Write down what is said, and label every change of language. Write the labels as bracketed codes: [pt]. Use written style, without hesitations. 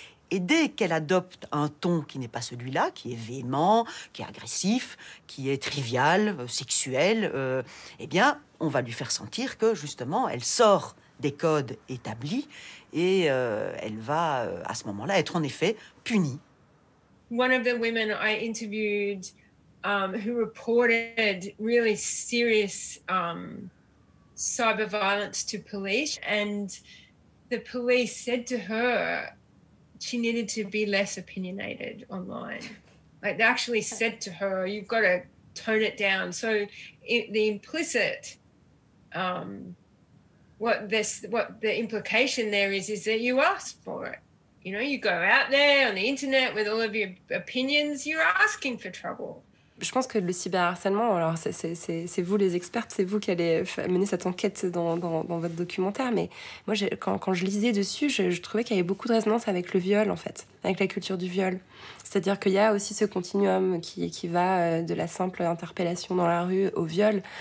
[fr] Et dès qu'elle adopte un ton qui n'est pas celui-là, qui est véhément, qui est agressif, qui est trivial, sexuel, eh bien, on va lui faire sentir que, justement, elle sort des codes établis et elle va, à ce moment-là, être en effet punie. [en] One of the women I interviewed who reported really serious cyber violence to police, and the police said to her, she needed to be less opinionated online. Like, they actually said to her, you've got to tone it down. So the implicit, what the implication there is that you ask for it. You know, you go out there on the internet with all of your opinions, you're asking for trouble. [fr] Je pense que le cyberharcèlement, alors c'est vous les expertes, c'est vous qui allez mener cette enquête dans votre documentaire, mais moi, quand je lisais dessus, je trouvais qu'il y avait beaucoup de résonance avec le viol, en fait, avec la culture du viol. C'est-à-dire qu'il y a aussi ce continuum qui va de la simple interpellation dans la rue au viol.